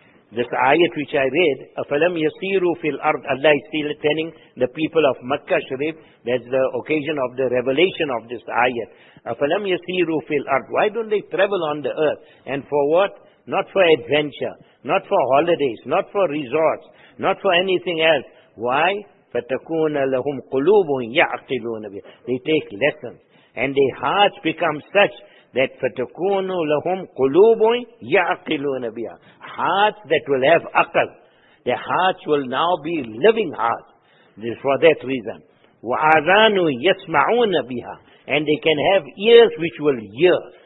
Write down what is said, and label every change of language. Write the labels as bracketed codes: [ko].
[en] This ayat which I read, [ar] أَفَلَمْ يَسِيرُوا فِي الْأَرْضِ, [en] Allah is still telling the people of Makkah Sharif, that's the occasion of the revelation of this ayat. [ar] أَفَلَمْ يَسِيرُوا فِي الْأَرْضِ, [en] why don't they travel on the earth? And for what? Not for adventure, not for holidays, not for resorts, not for anything else. Why? [ar] فَتَكُونَ لَهُمْ قُلُوبٌ يَعْقِلُونَ بِهِ, [en] they take lessons. And their hearts become such that [ar] فَتَكُونُ لَهُمْ قُلُوبٌ يَعْقِلُونَ بِهَا, [en] hearts that will have aqal. Their hearts will now be living hearts. This is for that reason. [ar] وَآذَانُ يَسْمَعُونَ بِهَا, [en] and they can have ears which will hear.